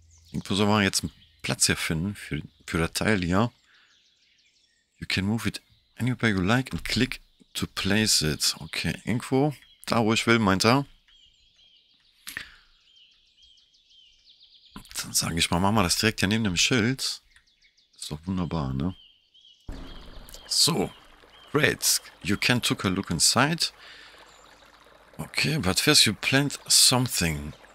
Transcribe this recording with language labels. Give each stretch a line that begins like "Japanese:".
German: Irgendwo sollen wir jetzt einen Platz hier finden für das Teil hier.
English: You can move it anywhere you like and click to place it.
German: Okay, irgendwo da, wo ich will, meint er. Dann sage ich mal, machen wir das direkt hier neben dem Schild. Ist doch wunderbar, ne? So.
English: Great, you can take a look inside. Okay, but first you plant something.